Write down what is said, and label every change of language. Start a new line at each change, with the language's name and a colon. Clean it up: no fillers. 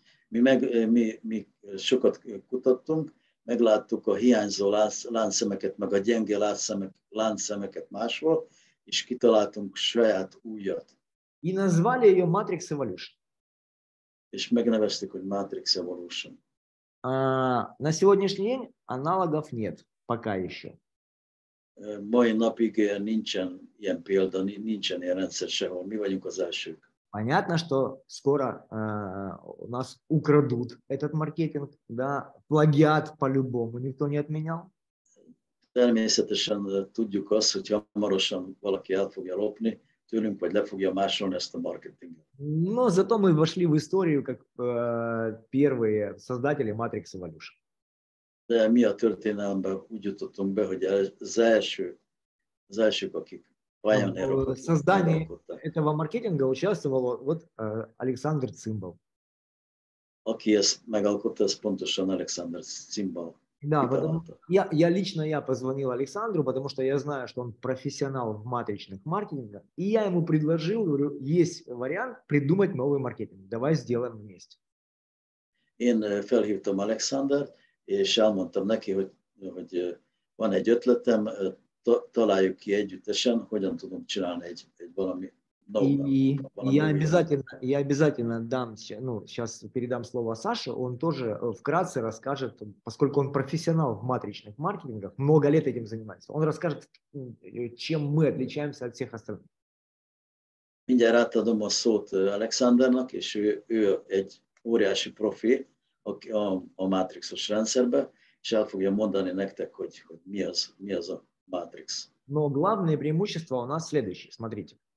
Russian: Мы
Hungarian: sokat kutattunk. Megláttuk a hiányzó láncszemeket, meg a gyenge láncszemeket máshol, és kitaláltunk saját újat.
Russian: И назвали ее Matrix Evolution.
Hungarian: És megneveztük, hogy Matrix Evolution.
Russian: На сегодняшний день аналогов нет, пока еще.
Hungarian: Мой напиг нincsen ilyen példa, nincsen ilyen rendszer sehol. Mi vagyunk az elsők.
Russian: Понятно, что скоро у нас украдут этот маркетинг, да, плагиат по-любому никто не отменял.
Hungarian: Természetesen tudjuk azt, hogy hamarosan valaki el fogja lopni tőlünk, vagy le fogja másolni ezt a marketinget.
Russian: Но зато мы вошли в историю как первые создатели Matrix Evolution.
Hungarian: De mi a történelemben úgy jutottunk be, hogy az első
Russian: Зачем каких? В создании этого маркетинга участвовал вот Александр Цимбал. Окей, я мегалкотта спонтошан Александр Цимбал. Да, я лично позвонил Александру, потому что я знаю, что он профессионал в матричных маркетингах, и я ему предложил, говорю, есть вариант придумать новый маркетинг, давай сделаем вместе.
Hungarian: Én felhívtam Александр, és elmondtam neki, hogy van egy ötletem, találjuk ki együttesen, hogyan tudom csinálni egy valami.
Russian: Я обязательно дам, ну, сейчас передам слово Саше, он тоже вкратце расскажет, поскольку он профессионал в матричных маркетингах, много лет этим занимается, он расскажет, чем мы отличаемся от всех остальных.
Hungarian: Mindjárt átadom a szót Alexandernak, és ő egy óriási profi a matrixos rendszerbe, és el fogja mondani nektek, hogy mi az a matrix.
Russian: Но главное преимущество у нас следующее, смотрите.